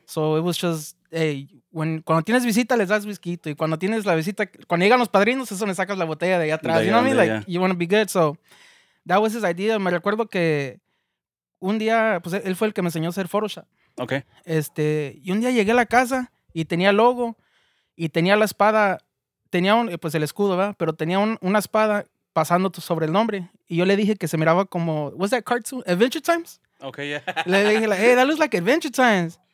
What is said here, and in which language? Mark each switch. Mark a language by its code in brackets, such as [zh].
[es] So it was just, hey, cuando tienes visita, les das whisky. Y cuando tienes la visita, cuando llegan los padrinos, es donde sacas la botella de allá atrás. [en] You know what I mean? Like, you want to be good. So that was his idea. [es] Me recuerdo que un día, pues él fue el que me enseñó a hacer Photoshop. [en] Okay. [es] Y un día llegué a la casa y tenía logo y tenía la espada. Tenía el escudo, ¿verdad? Pero tenía una espada pasando sobre el nombre. Y yo le dije que se miraba como... [en] ¿What's that cartoon? [es] ¿Adventure Times? [en] Okay, yeah. [es] Le dije, [en] like, hey, that looks like Adventure Times.